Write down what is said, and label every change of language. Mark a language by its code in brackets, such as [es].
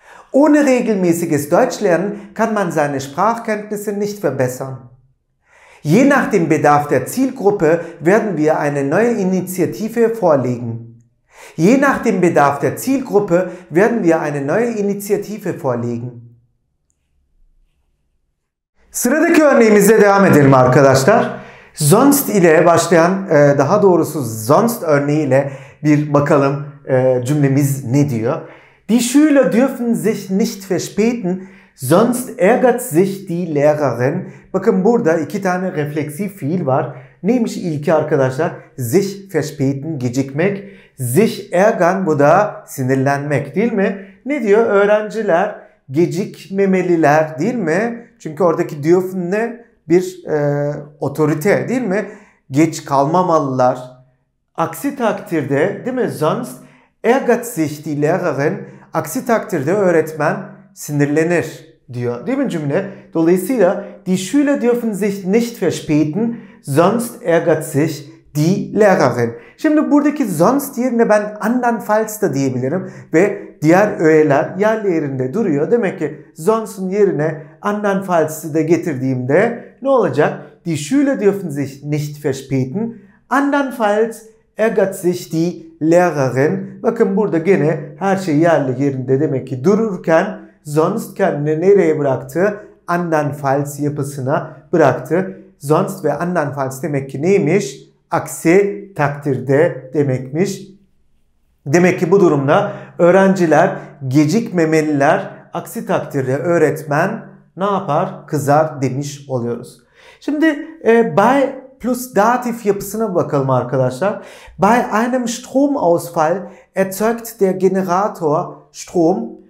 [de] Ohne regelmäßiges Deutschlernen kann man seine Sprachkenntnisse nicht verbessern. Je nach dem Bedarf der Zielgruppe werden wir eine neue Initiative vorlegen. Je nach dem Bedarf der Zielgruppe werden wir eine neue Initiative vorlegen. [tr] Sıradaki örneğimize devam edelim arkadaşlar. Sonst ile başlayan, daha doğrusu sonst örneğiyle bir bakalım cümlemiz ne diyor? [de] Die Schüler dürfen sich nicht verspäten, sonst ärgert sich die Lehrerin. [tr] Bakın burada iki tane refleksif fiil var. Neymiş ilki arkadaşlar? Sich verspäten, gecikmek. Sich ärgern, bu da sinirlenmek, değil mi? Ne diyor? Öğrenciler gecikmemeliler, değil mi? Çünkü oradaki dürfen ne? Bir otorite, değil mi? Geç kalmamalılar. Aksi takdirde, değil mi? [de] Sonst ärgert sich die Lehrerin. [tr] Aksi takdirde öğretmen sinirlenir diyor, değil mi cümle? Dolayısıyla [de] die Schüler dürfen sich nicht verspäten, sonst ärgert sich die Lehrerin. [tr] Şimdi buradaki sonst yerine ben andernfalls da diyebilirim ve diğer öğeler yerlerinde duruyor. Demek ki sonst'un yerine andernfalls'ı da getirdiğimde ne olacak? [de] Die Schüler dürfen sich nicht verspäten, andernfalls ärgert sich die Lehrerin. [tr] Bakın burada gene her şey yerli yerinde, demek ki dururken sonst kendini nereye bıraktı? Andernfalls yapısına bıraktı. Sonst ve andernfalls demek ki neymiş? Aksi takdirde demekmiş. Demek ki bu durumda öğrenciler gecikmemeliler. Aksi takdirde öğretmen ne yapar? Kızar demiş oluyoruz. Şimdi by plus datif yapısına bakalım arkadaşlar. [de] Bei einem Stromausfall erzeugt der Generator Strom.